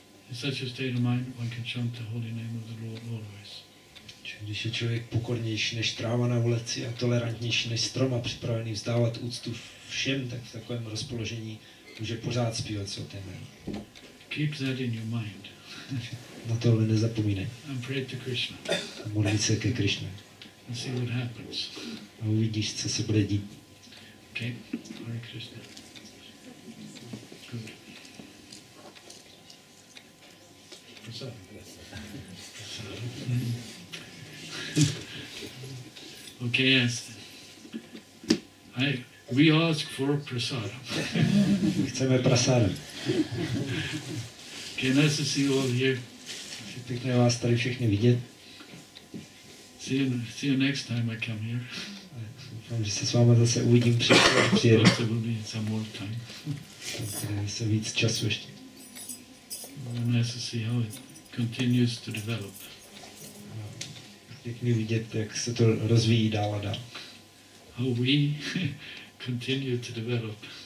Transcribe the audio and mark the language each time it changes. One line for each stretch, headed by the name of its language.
English: In such a state of mind, one can chant the holy name of the Lord always.
Czech: Když je člověk pokornější než tráva na vleci a tolerantnější než strom a připravený vzdávat úctu všem, tak v takovém rozpoložení může pořád zpívat svaté jméno.
English: Keep that in your mind.
Czech: Na tohle nezapomínej.
English: And pray to Krishna.
Czech: A modlit se ke Krishna.
English: And see what happens.
Czech: A uvidíš, co se bude dít.
English: Okay. Hare Krishna. Good. Okay, yes. We ask for prasad.
Czech: Chceme prasad.
English: Okay, nice to see you all here.
Czech: Pěkné vás tady všechny vidět.
English: See you next time I come here.
Czech: Doufám, že se s vámi zase uvidím příště.
English: To will be some more time.
Czech: Se víc času ještě.
English: Nice to see how it continues to develop.
Czech: Pěkný vidět, jak se to rozvíjí dál a dál.
English: How we continue to develop.